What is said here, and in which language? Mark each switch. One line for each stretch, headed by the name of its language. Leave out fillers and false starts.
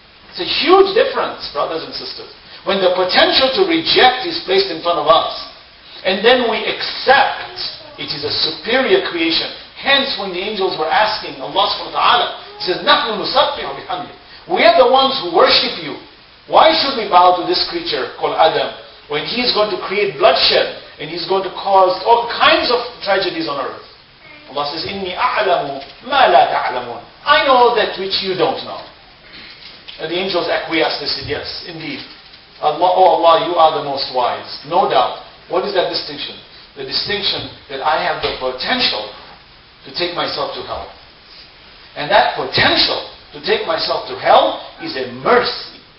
English: It's a huge difference, brothers and sisters. When the potential to reject is placed in front of us, and then we accept it is a superior creation. Hence, when the angels were asking Allah
Arabic: subhanahu wa ta'ala,
English: he says,
Arabic: نَحْنُ نُسَبِّحُ بِحَمْدِ.
English: We are the ones who worship you. Why should we bow to this creature called Adam when he is going to create bloodshed and he's going to cause all kinds of tragedies on earth? Allah says,
Arabic: إِنِّي أَعْلَمُ مَا لَا تَعْلَمُونَ.
English: I know that which you don't know. And the angels acquiesced. They said, yes, indeed. Allah, oh Allah, you are the most wise. No doubt. What is that distinction? The distinction that I have the potential to take myself to hell. And that potential to take myself to hell is a mercy.